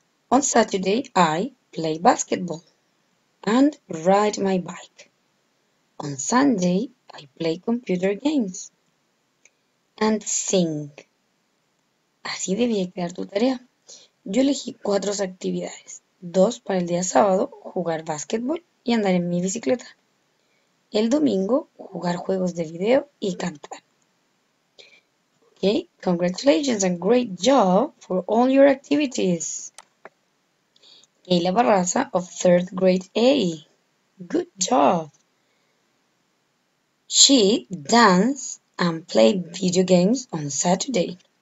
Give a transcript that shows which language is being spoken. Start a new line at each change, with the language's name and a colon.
English: On Saturday I play basketball and ride my bike. On Sunday, I play computer games and sing.
Spanish: Así debía quedar tu tarea. Yo elegí cuatro actividades. Dos para el día sábado, jugar básquetbol y andar en mi bicicleta. El domingo, jugar juegos de video y cantar.
English: Okay, congratulations and great job for all your activities. Keila Barraza of 3rd grade A. Good job. She danced and played video games on Saturday.